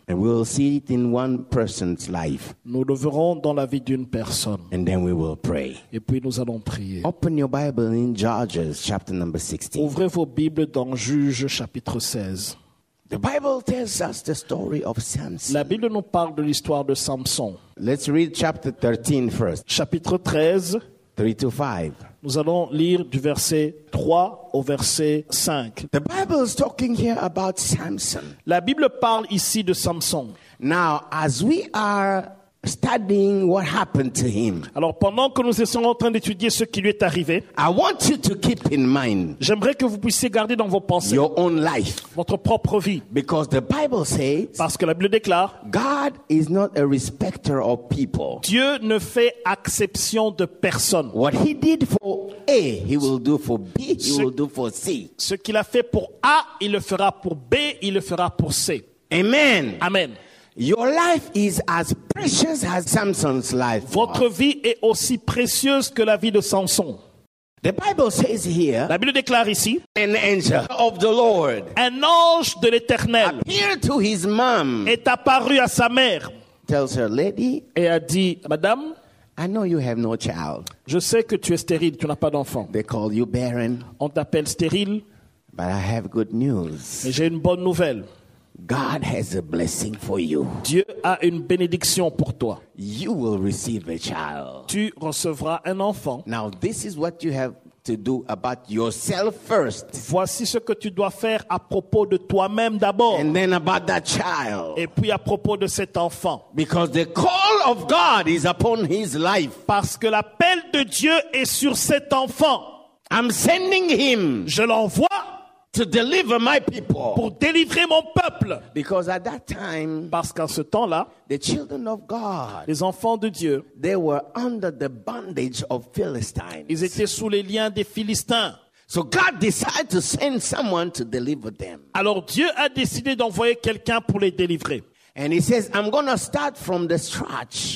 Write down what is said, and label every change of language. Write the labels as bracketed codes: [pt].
[en] And we'll see it in one person's life. [fr] Nous le verrons dans la vie d'une personne. [en] And then we will pray. [fr] Et puis nous allons prier. [en] Open your Bible in Judges chapter number 16. [fr] Ouvrez vos Bibles dans Juges chapitre 16. [en] The Bible tells us the story of Samson. [fr] La Bible nous parle de l'histoire de Samson. [en] Let's read chapter 13 first. [fr] Chapitre 13, [en] 3 to 5. [fr] Nous allons lire du verset 3 au verset 5. [en] The Bible is talking here about Samson. [fr] La Bible parle ici de Samson. [en] Now, as we are studying what happened to him. [fr] Alors pendant que nous sommes en train d'étudier ce qui lui est arrivé, [en] I want you to keep in mind. [fr] J'aimerais que vous puissiez garder dans vos pensées [en] your own life. [fr] Votre propre vie. [en] Because the Bible says. [fr] Parce que la Bible déclare. [en] God is not a respecter of people. [fr] Dieu ne fait exception de personne. [en] What he did for A, he will do for B, he will do for C. [fr] Ce qu'il a fait pour A, il le fera pour B, il le fera pour C. [en] Amen. [fr] Amen. [en] Your life is as precious as Samson's life. [fr] Votre vie est aussi précieuse que la vie de Samson. [en] The Bible says here. [fr] La Bible déclare ici. [en] An angel of the Lord. [fr] Un ange de l'Éternel. [en] Appeared to his mom. [fr] Est apparu à sa mère. [en] Tells her, lady. [fr] Et a dit, madame. [en] I know you have no child. [fr] Je sais que tu es stérile, tu n'as pas d'enfant. [en] They call you barren. [fr] On t'appelle stérile. [en] But I have good news. [fr] Mais j'ai une bonne nouvelle. [en] God has a blessing for you. [fr] Dieu a une bénédiction pour toi. [en] You will receive a child. [fr] Tu recevras un enfant. [en] Now this is what you have to do about yourself first. [fr] Voici ce que tu dois faire à propos de toi-même d'abord. [en] And then about that child. [fr] Et puis à propos de cet enfant. [en] Because the call of God is upon his life. [fr] Parce que l'appel de Dieu est sur cet enfant. [en] I'm sending him. [fr] Je l'envoie. [en] To deliver my people. [fr] Pour délivrer mon peuple. [en] Because at that time, [fr] parce qu'en ce temps-là, [en] the children of God, [fr] les enfants de Dieu, [en] they were under the bondage of Philistines. [fr] Ils étaient sous les liens des Philistins. [en] So God decided to send someone to deliver them. [fr] Alors Dieu a décidé d'envoyer quelqu'un pour les délivrer. [en] And he says, I'm gonna start from the scratch.